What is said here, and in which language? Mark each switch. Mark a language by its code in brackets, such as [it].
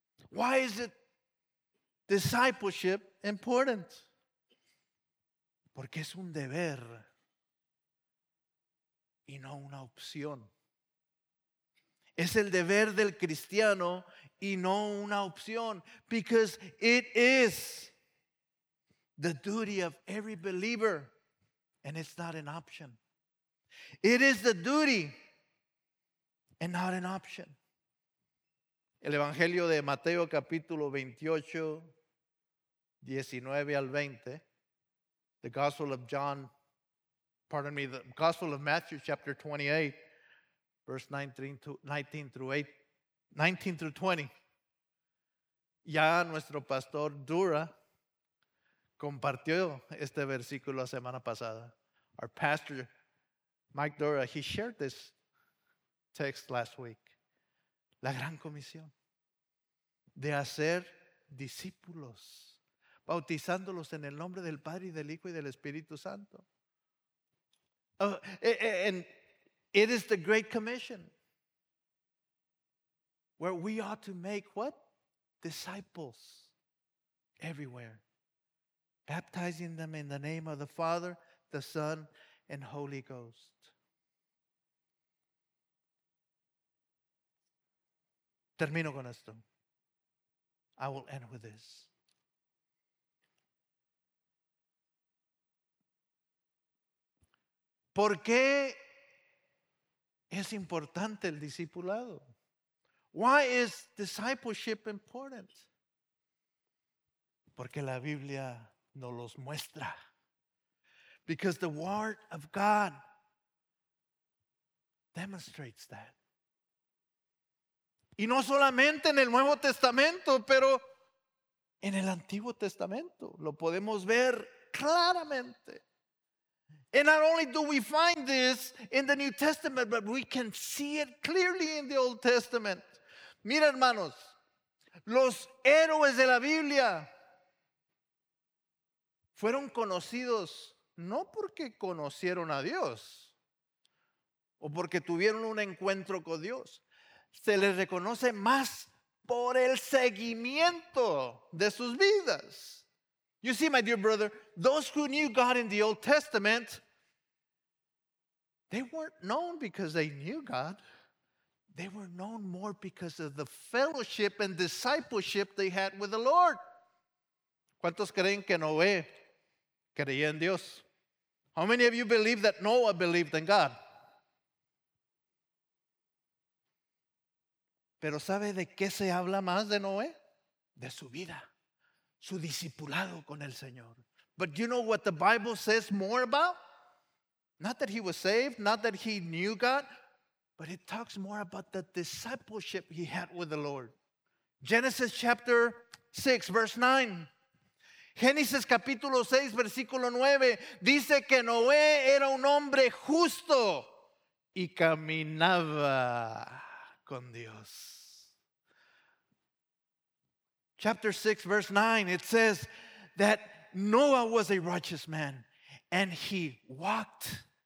[en] Why is it discipleship important? [es] Porque es un deber y no una opción. Es el deber del cristiano y no una opción. [en] Because it is the duty of every believer and it's not an option. It is the duty and not an option. [es] El Evangelio de Mateo capítulo 28, 19 al 20. [en] The Gospel of John, pardon me, the Gospel of Matthew chapter 28, verse 19 through 20. [es] Ya nuestro pastor Dura compartió este versículo la semana pasada. [en] Our pastor Mike Dora, he shared this text last week. [es] La gran comisión de hacer discípulos, bautizándolos en el nombre del Padre, y del Hijo, y del Espíritu Santo. [en] And it is the great commission where we ought to make what? Disciples everywhere. Baptizing them in the name of the Father, the Son, and Holy Ghost. [es] Termino con esto. [en] I will end with this. [es] ¿Por qué es importante el discipulado? [en] Why is discipleship important? [es] Porque la Biblia nos los muestra. [en] Because the Word of God demonstrates that. [es] Y no solamente en el Nuevo Testamento, pero en el Antiguo Testamento. Lo podemos ver claramente. [en] And not only do we find this in the New Testament, but we can see it clearly in the Old Testament. [es] Mira, hermanos, los héroes de la Biblia fueron conocidos no porque conocieron a Dios o porque tuvieron un encuentro con Dios. Se les reconoce más por el seguimiento de sus vidas. [en] You see, my dear brother, those who knew God in the Old Testament, they weren't known because they knew God. They were known more because of the fellowship and discipleship they had with the Lord. [es] ¿Cuántos creen que Noé creía en Dios? [en] How many of you believe that Noah believed in God? [es] Pero ¿sabe de qué se habla más de Noé? De su vida, su discipulado con el Señor. [en] But you know what the Bible says more about? Not that he was saved, not that he knew God, but it talks more about the discipleship he had with the Lord. Genesis chapter 6, verse 9. [es] Génesis capítulo 6, versículo 9. Dice que Noé era un hombre justo y caminaba con Dios. [en] Chapter 6, verse 9, it says that Noah was a righteous man and he walked.